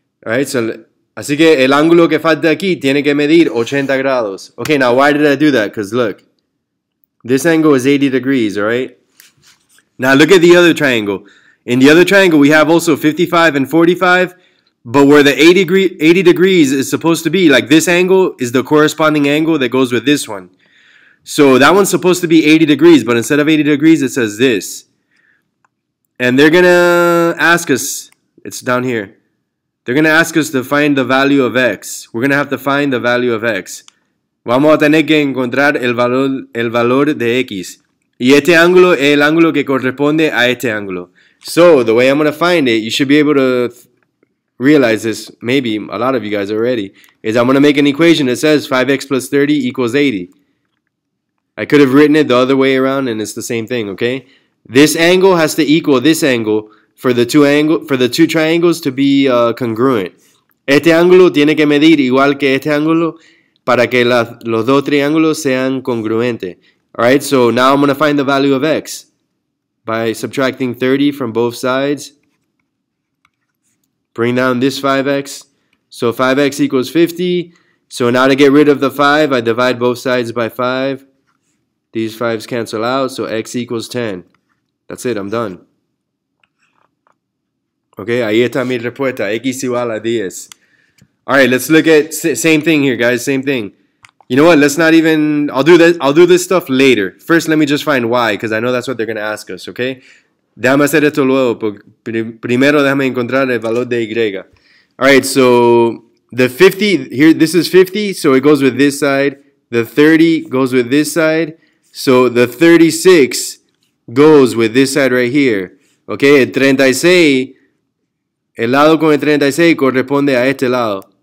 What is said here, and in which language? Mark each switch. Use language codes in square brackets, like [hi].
[en] All right, so [es] así que el ángulo que falta aquí tiene que medir 80 grados. [en] Okay, now why did I do that? Because look, this angle is 80 degrees, all right? Now look at the other triangle. In the other triangle, we have also 55 and 45, but where the 80 degrees is supposed to be, like this angle is the corresponding angle that goes with this one. So that one's supposed to be 80 degrees, but instead of 80 degrees, it says this. And they're going to ask us, it's down here, they're going to ask us to find the value of X. We're going to have to find the value of X. [es] Vamos a tener que encontrar el valor de X. Y este ángulo es el ángulo que corresponde a este ángulo. [en] So the way I'm going to find it, you should be able to realize this, maybe a lot of you guys already, is I'm going to make an equation that says 5x plus 30 equals 80. I could have written it the other way around and it's the same thing, okay? This angle has to equal this angle for the two triangles to be congruent. [es] Este ángulo tiene que medir igual que este ángulo para que los dos triángulos sean congruentes. [en] All right, so now I'm going to find the value of X. By subtracting 30 from both sides, bring down this 5x. So 5x equals 50. So now to get rid of the 5, I divide both sides by 5. These 5s cancel out, so x equals 10. That's it, I'm done. [es] Okay, ahí está mi respuesta, x igual a 10. [en] All right, let's look at same thing here, guys, same thing. You know what, let's not even, I'll do this stuff later. First, let me just find y, because I know that's what they're going to ask us, okay? [es] Déjame hacer esto luego, primero déjame encontrar el valor de y. [en] All right, so the 50, here, this is 50, so it goes with this side. The 30 goes with this side. So the 36 goes with this side right here, okay? [es] El 36, el lado con el 36 corresponde a este lado.